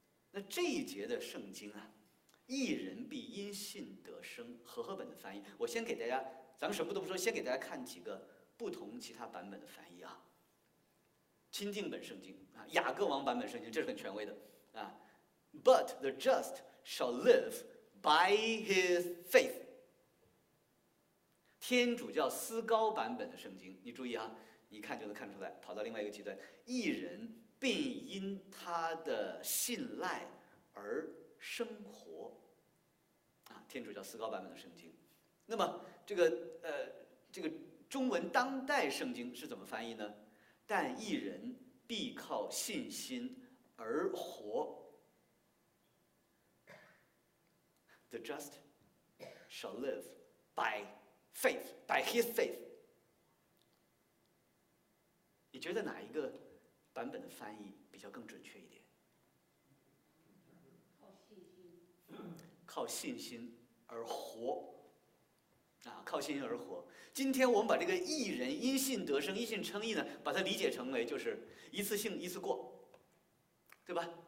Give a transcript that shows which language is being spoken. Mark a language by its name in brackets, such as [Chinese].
[Chinese] 那这一节的圣经啊，义人必因信得生，和合本的翻译，我先给大家，咱们什么都不说，先给大家看几个不同其他版本的翻译啊。钦定本圣经啊，雅各王版本圣经，这是很权威的啊。 [English] But the just shall live by his faith。 [Chinese] 天主教思高版本的圣经，你注意啊，你一看就能看出来，跑到另外一个极端，义人并因他的信赖而生活，啊，天主教思高版本的圣经。那么这个中文当代圣经是怎么翻译呢？但义人必靠信心而活。 [English] The just shall live by faith, by his faith。 [Chinese] 你觉得哪一个版本的翻译比较更准确一点？靠信心，靠信心而活，啊，靠信心而活。今天我们把这个义人因信得生、因信称义呢，把它理解成为就是一次性一次过，对吧？